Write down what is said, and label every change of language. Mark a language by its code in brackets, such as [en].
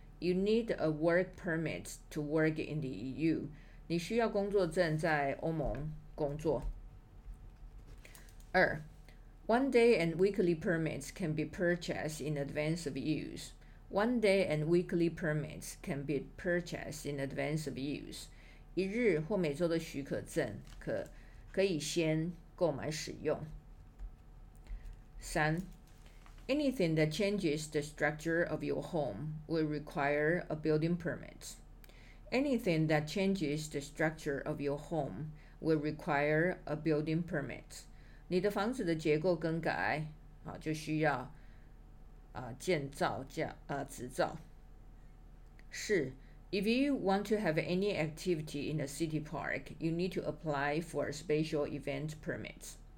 [en] You need a work permit to work in the EU. [zh] 你需要工作证在欧盟工作。 [en] 二 ，One day and weekly permits can be purchased in advance of use. One day and weekly permits can be purchased in advance of use. [zh] 一日或每周的许可证可以先购买使用。3. [en] Anything that changes the structure of your home will require a building permit. Anything that changes the structure of your home will require a building permit. [zh] 你的房子的结构更改，啊，就需要，啊，建造驾，啊，执照。是。 [en] If you want to have any activity in a city park, you need to apply for a special event permit.